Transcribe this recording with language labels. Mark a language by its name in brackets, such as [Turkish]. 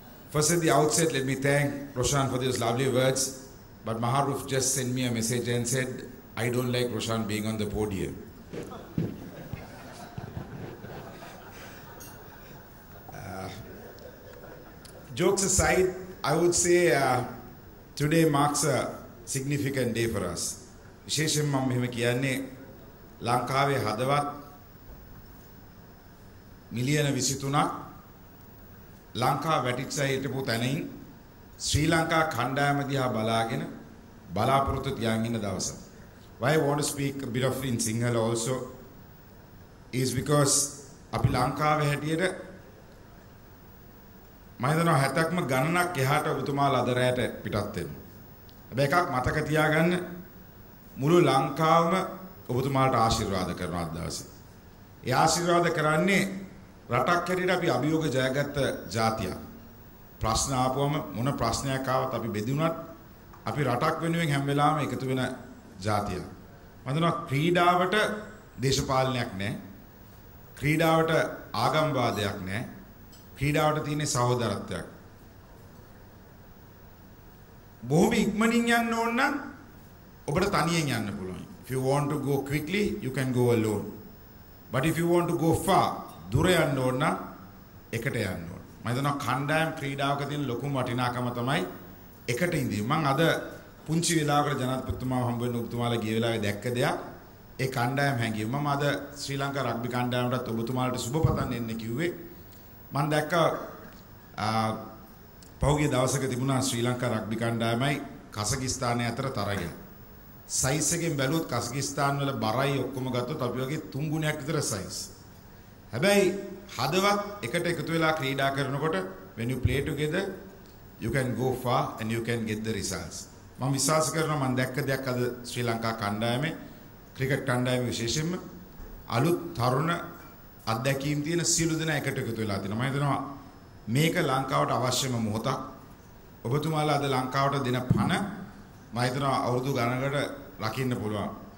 [English] First at the outset, let me thank Roshan for those lovely words, but Maharuf just sent me a message and said, I don't like Roshan being on the podium. Jokes aside, I would say today marks a significant day for us. [Sinhala] Visheshayen mama mehema kiyanne Lankawe hadawat million 23ක් Lanka වැටිච්චා හිටපු තැනින් ශ්‍රී ලංකා කණ්ඩායම දිහා බලාගෙන බලාපොරොත්තු තියාගෙන ඉන්න දවස. [English] Why I want to speak a bit of in Sinhala also is because [Sinhala] අපි ලංකාවේ හැටියට මම හිතනවා 70ක්ම ගණනක් එහාට ඔබතුමාලා අදරයට පිටත් වෙනවා. හැබැයි එකක් මතක තියාගන්න මුළු ලංකාවම ඔබතුමාලට ආශිර්වාද කරනවා අද දවසේ. ඒ ආශිර්වාද කරන්නේ රටක් හැටියට අපි අභියෝග ජයගත්ත ජාතියක්. ප්‍රශ්න ආපුවම මොන ප්‍රශ්නයක් ආවත් අපි බෙදුණත් අපි රටක් වෙනුවෙන් හැම වෙලාවෙම එකතු වෙන ජාතියක්. මම හිතනවා ක්‍රීඩාවට දේශපාලනයක් නැහැ. ක්‍රීඩාවට ආගම්වාදයක් නැහැ. ක්‍රීඩාවට තියෙන සහෝදරත්වයක්. බොහොම ඉක්මනින් යන්න ඕන නම් ඔබට තනියෙන් යන්න පුළුවන්. [English] If you want to go quickly, you can go alone. But if you want to go far, [Sinhala] දුර යන්න ඕන නම් එකට යන්න ඕන. මම හිතනවා කණ්ඩායම් ක්‍රීඩාවක තියෙන ලොකුම වටිනාකම තමයි එකට ඉඳීම. මම අද පුංචි වෙලාවකට ජනාධිපතිතුමාව හම්බ වෙන්න ඔබතුමාලා ගිය වෙලාවේ දැක්ක දෙයක් ඒ කණ්ඩායම් හැංගීම. මම අද ශ්‍රී ලංකා රග්බි කණ්ඩායමටත් ඔබතුමාලට සුබපතන් එන්න කිව්වේ. මම දැක්ක පහුගිය දවසක තිබුණා ශ්‍රී ලංකා රග්බි කණ්ඩායමයි කසකිස්තානය අතර තරගය. සයිස් එකෙන් බැලුවොත් කසකිස්තාන් වල බරයි ඔක්කොම ගත්තොත් අපි වගේ 3 ගුණයක් විතර සයිස්. හැබැයි හදවත් එකට එකතු වෙලා ක්‍රීඩා කරනකොට [English] when you play together you can go far and you can get the results. [Sinhala] මම විශ්වාස කරනවා මම දැක්ක දෙයක් අද ශ්‍රී ලංකා කණ්ඩායමේ ක්‍රිකට් කණ්ඩායමේ විශේෂයෙන්ම අලුත් තරුණ අත්දැකීම් තියෙන සියලු දෙනා එකට එකතු වෙලා තියෙනවා. මම හිතනවා මේක ලංකාවට අවශ්‍යම මොහොතක්. ඔබතුමාලා අද ලංකාවට දෙන පණ මම හිතනවා අවුරුදු ගණනකට රකින්න පුළුවන්.